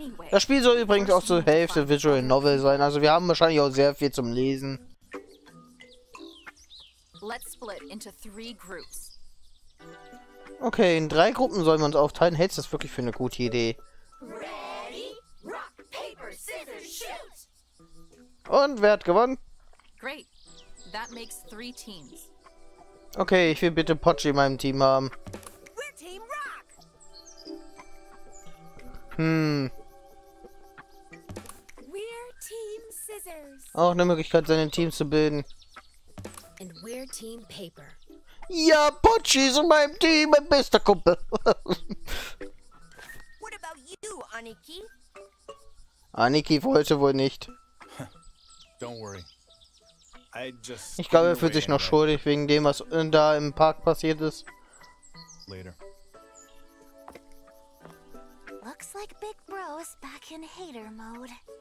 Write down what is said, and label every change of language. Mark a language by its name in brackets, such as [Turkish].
[German] Das Spiel soll übrigens auch zur Hälfte Visual Novel sein. Also wir haben wahrscheinlich auch sehr viel zum Lesen. [English] Let's split into three groups. [German] Okay, in drei Gruppen sollen wir uns aufteilen. Hältst du das wirklich für eine gute Idee? [English] Ready? Rock, paper, scissors, shoot! [German] Und wer hat gewonnen? [English] Great. That makes three teams. [German] Okay, ich will bitte Pochi in meinem Team haben. [English] We're Team Rock! We're Team Scissors. [German] Auch eine Möglichkeit, seine Teams zu bilden. [English] And we're Team Paper. [German] Ja, Pochi ist in meinem Team, mein bester Kumpel. [English] What about you, Aniki? [German] Aniki wollte wohl nicht. [English] Don't worry. I just [German] ich glaube, er fühlt sich noch schuldig wegen dem, was da im Park passiert ist. [English] Later. Looks like Big Bro is back in hater mode.